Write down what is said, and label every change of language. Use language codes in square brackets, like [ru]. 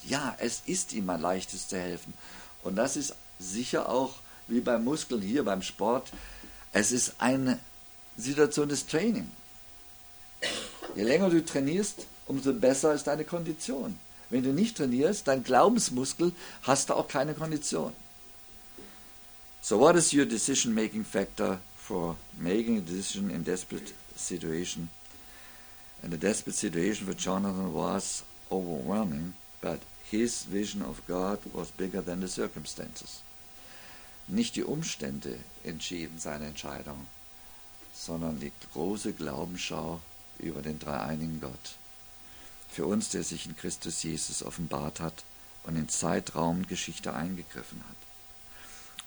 [de] Ja, es ist ihm ein Leichtes zu helfen. Und das ist sicher auch, wie beim Muskeln hier, beim Sport, es ist eine Situation des Training. Je länger du trainierst, umso besser ist deine Kondition. Wenn du nicht trainierst, dein Glaubensmuskel, hast du auch keine Kondition. [en] So what is your decision-making factor for making a decision in a desperate situation? And the desperate situation for Jonathan was overwhelming, but his vision of God was bigger than the circumstances. [de] Nicht die Umstände entschieden seine Entscheidung, sondern die große Glaubensschau über den dreieinigen Gott. Für uns, der sich in Christus Jesus offenbart hat und in Zeitraum Geschichte eingegriffen hat.